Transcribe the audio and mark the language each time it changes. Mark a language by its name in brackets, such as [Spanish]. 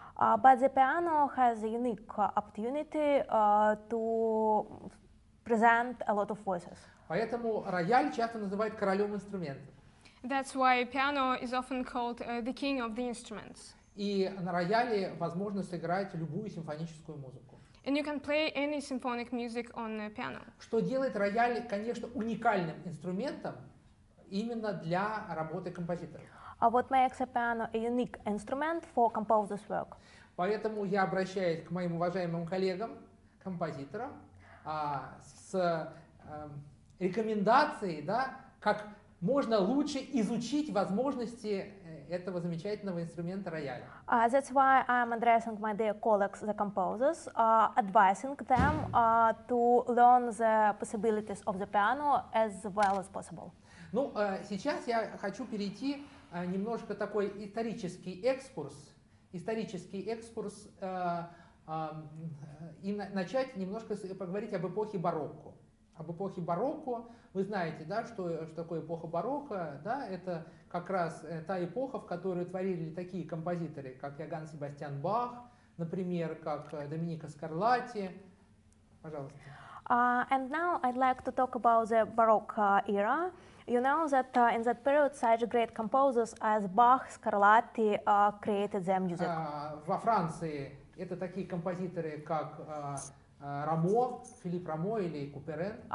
[English] But the piano has a unique opportunity to present a lot of voices. [Russian] Поэтому рояль часто называют королем инструментов. [English] That's why piano is often called the king of the instruments. [Russian] И на рояле возможно сыграть любую симфоническую музыку. [English] And you can play any symphonic music on the piano. [Russian] Что делает рояль, конечно, уникальным инструментом именно для работы композитора. [English] What makes a piano a unique instrument for composer's work? [Russian] Поэтому я обращаюсь к моим уважаемым коллегам, композиторам, с рекомендацией, да, как можно лучше изучить возможности этого замечательного инструмента рояля. [English] That's why I'm addressing my dear colleagues, the composers, advising them to learn the possibilities of the piano as well as possible. [Russian] Ну, сейчас я хочу перейти немножко такой исторический экскурс и начать немножко поговорить об эпохе барокко. Об эпохе барокко. Вы знаете, да, что такое эпоха барокко? Да, это как раз та эпоха, в которую творили такие композиторы, как Иоганн Себастьян Бах, например, как Доминико Скарлатти. Пожалуйста. [English] And now I'd like to talk about the Baroque era. You know that in that period such great composers as Bach, Scarlatti created their music. [Russian] Во Франции это такие композиторы, как Рамо, Филипп Рамо или Куперен.